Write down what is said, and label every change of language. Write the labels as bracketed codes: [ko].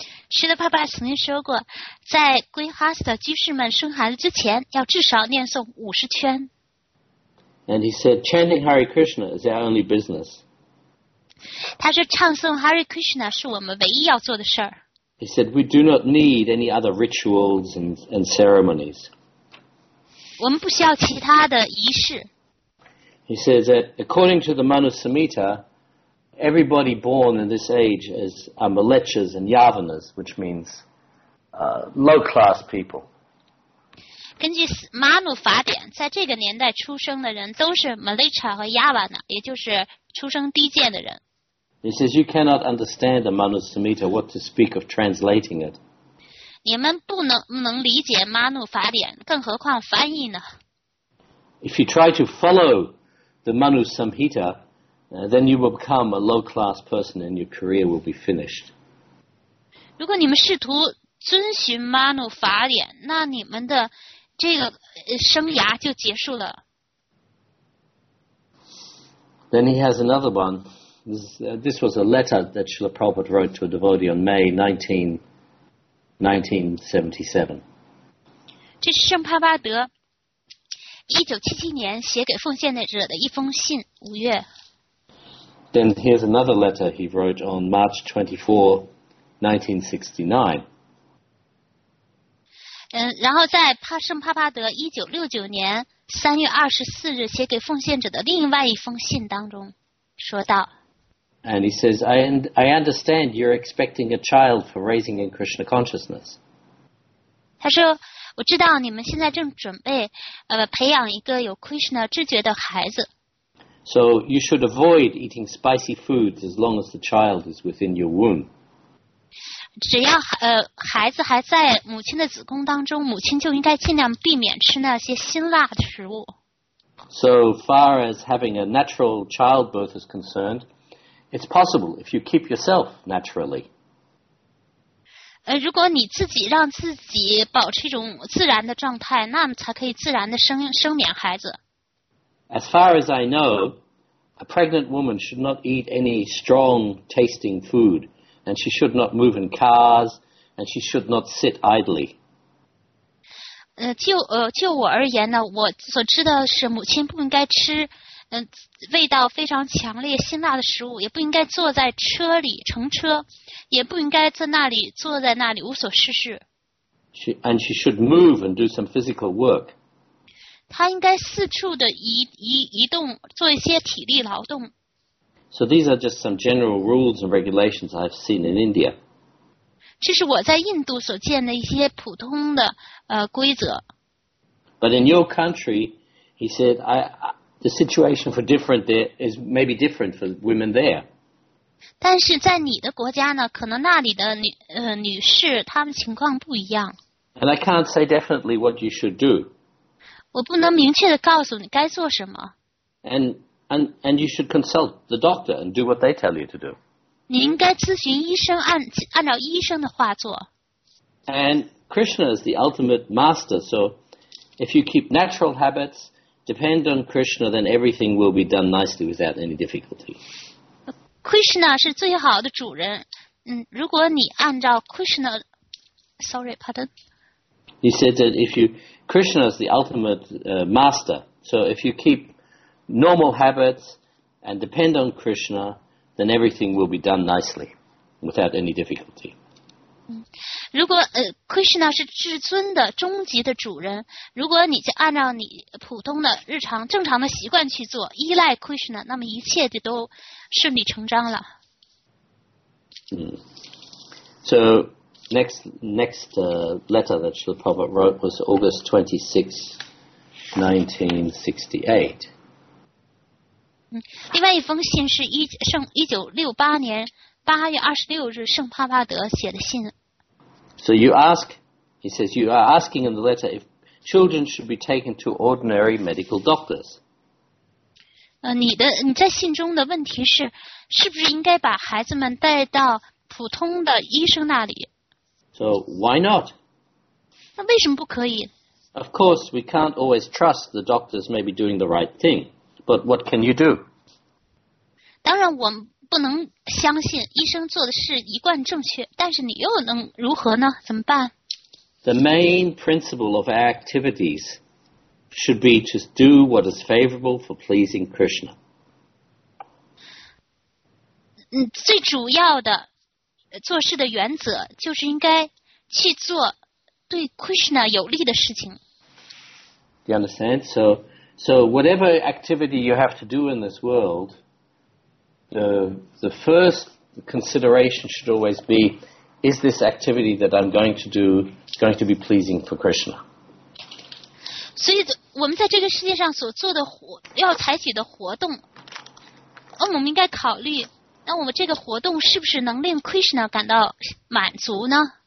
[zh] Srila Prabhupada 曾经说过，在 grihastha 居士们生孩子之前，要至少念诵50圈。 [en] And he said, chanting Hare Krishna is our only business. [zh] 他说唱诵 Hare Krishna 是我们唯一要做的事儿。 [en] He said, we do not need any other rituals and ceremonies. [zh] 我们不需要其他的仪式。 [en] He says that according to the Manusamhita, everybody born in this age is malechas and yavanas, which means low-class people. [zh] 根据马努法典，在这个年代出生的人都是 malecha 和 yavana， 也就是出生低贱的人。 [en] He says you cannot understand the Manusamhita, what to speak of translating it. [zh] 你们不能理解马努法典，更何况翻译呢？ [en] If you try to follow the Manusamhita, then you will become a low-class person and your career will be finished. [zh] 如果你们试图遵循马努法典，那你们的这个生涯就结束了。 [en] Then he has another one. This was a letter that Srila Prabhupada wrote to a devotee on May 19, 1977. [zh] 这是圣帕巴德1977年写给奉献者的一封信，五月。 [en] Then here's another letter he wrote on March 24, 1969. [zh] 然后在圣帕巴德1969年3月24日写给奉献者的另外一封信当中说道。 [en] And he says, I understand you're expecting a child for raising in Krishna consciousness. [zh] 他说，我知道你们现在正准备培养一个有 Krishna 知觉的孩子。 [en] So you should avoid eating spicy foods as long as the child is within your womb. [zh] 只要孩子还在母亲的子宫当中，母亲就应该尽量避免吃那些辛辣的食物。 [en] So far as having a natural childbirth is concerned,It's possible if you keep yourself naturally. [zh] 如果你自己让自己保持一种自然的状态，那么才可以自然的生免孩子。 [en] As far as I know, a pregnant woman should not eat any strong tasting food, and she should not move in cars, and she should not sit idly. [zh] 就我而言呢，我所知道是母亲不应该吃味道非常强烈辛辣的食物，也不应该坐在车里乘车，也不应该在那里坐在那里无所事事。 [en] And she should move and do some physical work. [zh] 她应该四处的移动，做一些体力劳动。 [en] So these are just some general rules and regulations I've seen in India. [zh] 这是我在印度所见的一些普通的规则。 [en] But in your country, he said, The situation for different there is maybe different for women there. [zh] 但是在你的国家呢，可能那里的女士她们情况不一样。 [en] And I can't say definitely what you should do. [zh] 我不能明确地告诉你该做什么。 [en] And you should consult the doctor and do what they tell you to do. [zh] 你应该咨询医生，按照医生的话做。 [en] And Krishna is the ultimate master, so if you keep natural habits,Depend on Krishna, then everything will be done nicely without any difficulty. [zh] Krishna 是最好的主人。如果你按照 Krishna, [en] sorry, pardon. He said that Krishna is the ultimate master. So if you keep normal habits and depend on Krishna, then everything will be done nicely without any difficulty. [zh] 如果Krishna 是至尊的终极的主人，如果你就按照你普通的日常正常的习惯去做，依赖 Krishna， 那么一切就都顺理成章了。 [en] So next letter that Srila Prabhupada wrote was August 26, 1968. [zh] 另外一封信是1968年八月二十六日圣帕巴德写的信。 [en] So you ask, he says, you are asking in the letter if children should be taken to ordinary medical doctors. [zh] 你在信中的问题是，是不是应该把孩子们带到普通的医生那里？ [en] So why not? [zh] 那为什么不可以？ [en] Of course, we can't always trust the doctors may be doing the right thing, but what can you do? [zh] 当然我们不能相信医生做的事一贯正确，但是你又能如何呢？怎么办？ [en] The main principle of our activities should be to do what is favorable for pleasing Krishna. [zh] 最主要的做事的原则就是应该去做对 Krishna 有利的事情。 [en] Do you understand? So whatever activity you have to do in this world, the first consideration should always be, is this activity that I'm going to do going to be pleasing for Krishna? [zh] 所以我们在这个世界上所做的活要采取的活动，我们应该考虑，那我们这个活动是不是能令 Krishna 感到满足呢？